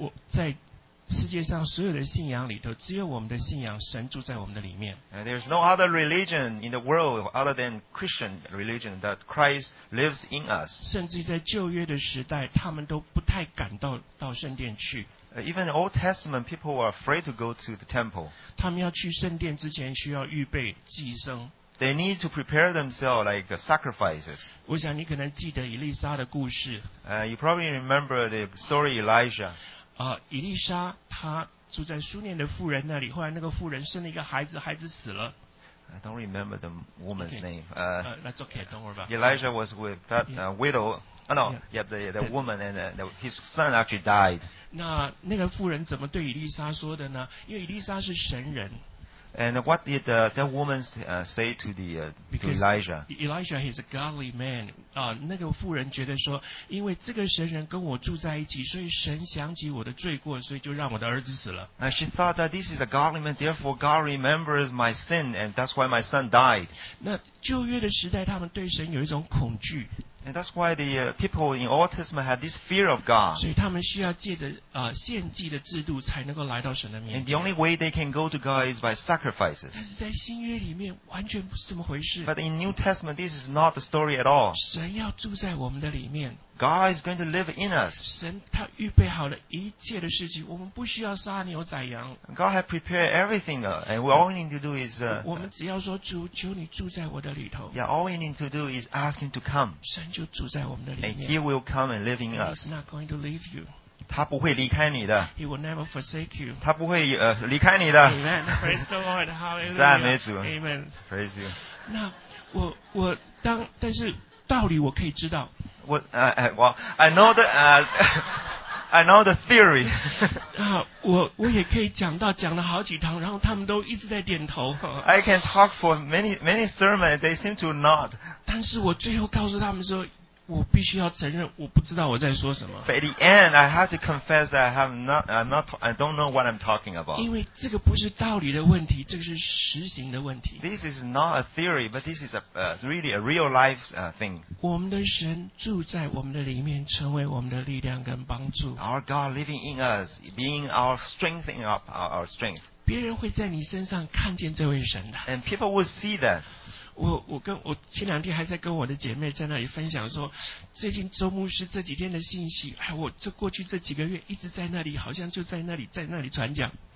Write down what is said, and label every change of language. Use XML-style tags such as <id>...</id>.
<zh>在世界上所有的信仰里头，只有我们的信仰，神住在我们的里面。</zh> <en>And there's no other religion in the world other than Christian religion that Christ lives in us.</en> <zh>甚至在旧约的时代，他们都不太敢到圣殿去。</zh> <en>Even Old Testament people were afraid to go to the temple.</en> <zh>他们要去圣殿之前需要预备祭牲。</zh> <en>they need to prepare themselves like sacrifices.</en> <zh>我想你可能记得以利沙的故事。</zh> <en>You probably remember the story Elijah.</en> <zh>以利沙他住在书念的妇人那里，后来那个妇人生了一个孩子，孩子死了。</zh> <en>I don't remember the woman's okay. name. That's okay. Don't worry about it. Elijah was with that widow. Oh, no, yeah, the woman and his son actually died.</en> <zh>那个妇人怎么对以利沙说的呢？因为以利沙是神人。</zh> <en>And what did that woman say to the to Elijah? Elijah is a godly man.</en> <zh>那个妇人觉得说，因为这个神人跟我住在一起，所以神想起我的罪过，所以就让我的儿子死了。</zh> <en>And she thought that this is a godly man, therefore God remembers my sin, and that's why my son died.</en> <zh>那旧约的时代，他们对神有一种恐惧。</zh> <en>And that's why the people in Old Testament had this fear of God.</en> <zh>所以他们需要借着献祭的制度才能够来到神的面前。</zh> <en>And the only way they can go to God is by sacrifices.</en> <zh>但是在新约里面完全不是这么回事。</zh> <en>But in New Testament, this is not the story at all.</en> <zh>神要住在我们的里面。</zh> <en>God is going to live in us.</en> <zh>神他预备好了一切的事情，我们不需要杀牛宰羊。</zh> <en>God has prepared everything, and all we need to do is</en> <zh>我们只要说主，求你住在我的里头。</zh> <en>Yeah, all we need to do is ask Him to come.</en> <zh>神就住在我们的里面。</zh> <en>And He will come and live in us. He's not going to leave you.</en> <zh>他不会离开你的。</zh> <en>He will never forsake you.</en> <zh>他不会离开你的。</zh> <en>Amen. Praise the Lord. Hallelujah.</en> <zh>赞美主。</zh> <en>Amen. Praise you.</en> <zh>那我当但是道理我可以知道。</zh> <en>I know the theory.</en> <zh>我也可以讲到讲了好几堂，然后他们都一直在点头。</zh> <en>I can talk for many sermons. They seem to nod.</en> <zh>但是我最后告诉他们说，我必须要承认，我不知道我在说什么。</zh> <en>But at the end, I have to confess that I don't know what I'm talking about.</en> <zh>因为这个不是道理的问题，这个是实行的问题。</zh> <en>This is not a theory, but this is a real life thing.</en> <zh>我们的神住在我们的里面，成为我们的力量跟帮助。</zh> <en>Our God living in us, being our strength in our strength.</en> <zh>别人会在你身上看见这位神的。</zh> <en>And people will see that.</en> <zh>我前两天还在跟我的姐妹在那里分享说，最近周牧师这几天的信息，哎，我这过去这几个月一直在那里，好像就在那里，在那里传讲。</zh>